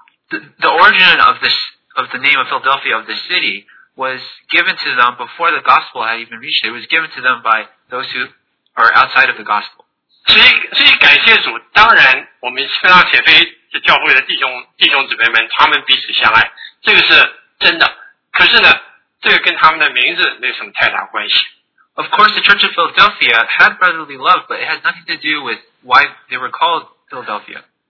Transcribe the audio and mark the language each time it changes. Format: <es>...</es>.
<en>The origin of the name of Philadelphia, of the city, was given to them before the gospel had even reached it. It was given to them by those who are outside of the gospel.</en> <zh>所以感谢主，当然我们菲拉铁菲的教会的弟兄姊妹们，他们彼此相爱，这个是真的。可是呢，这个跟他们的名字没有什么太大关系。</zh> <en>Of course, the Church of Philadelphia had brotherly love, but it had nothing to do with why they were called Philadelphia.</en>